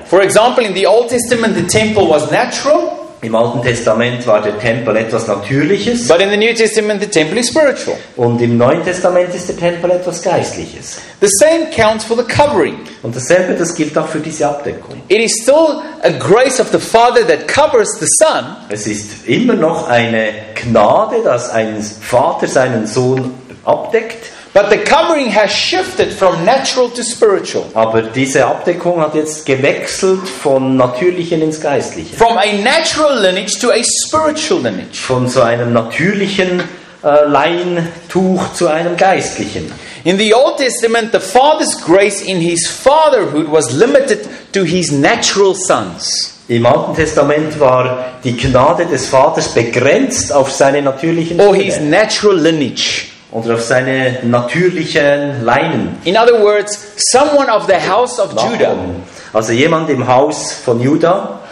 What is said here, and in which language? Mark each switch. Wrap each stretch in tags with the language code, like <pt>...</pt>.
<en>For example, in the Old Testament the temple was natural.</en> <de>Im Alten Testament war der Tempel etwas Natürliches.</de> <en>But in the New Testament, the temple is spiritual.</en> <de>Und im Neuen Testament ist der Tempel etwas Geistliches.</de> <en>The same counts for the covering.</en> <de>Und dasselbe, das gilt auch für diese Abdeckung.</de> <en>It is still a grace of the Father that covers the Son.</en> <de>Es ist immer noch eine Gnade, dass ein Vater seinen Sohn abdeckt.</de> <en>But the covering has shifted from natural to spiritual.</en> <de>Aber diese Abdeckung hat jetzt gewechselt von natürlichen ins geistliche.</de> <en>From a natural lineage to a spiritual lineage.</en> <de>Von so einem natürlichen Leintuch zu einem geistlichen.</de> <en>In the Old Testament, the father's grace in his fatherhood was limited to his natural sons.</en> <de>Im Alten Testament war die Gnade des Vaters begrenzt auf seine natürlichen Söhne.</de> <en>Or his natural lineage.</en> <de>Und auf seine natürlichen Leinen.</de> <en>In other words, someone of the house of Judah.</en> <de>Also jemand im Haus von Judah.</de>